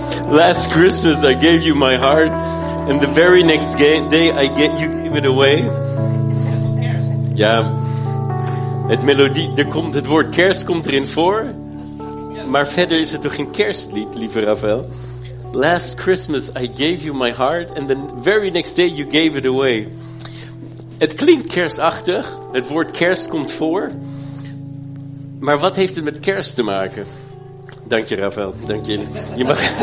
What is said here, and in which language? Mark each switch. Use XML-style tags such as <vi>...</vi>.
<en>Last Christmas I gave you my heart, and the very next day I get you gave it away.</en> <nl>Ja, het melodie, er komt het woord kerst komt erin voor, maar verder is het toch geen kerstlied, lieve Ravel.</nl> <en>Last Christmas I gave you my heart, and the very next day you gave it away.</en> <nl>Het klinkt kerstachtig, het woord kerst komt voor, maar wat heeft het met kerst te maken? Dank je, Ravel. Dank je. Je mag.</nl>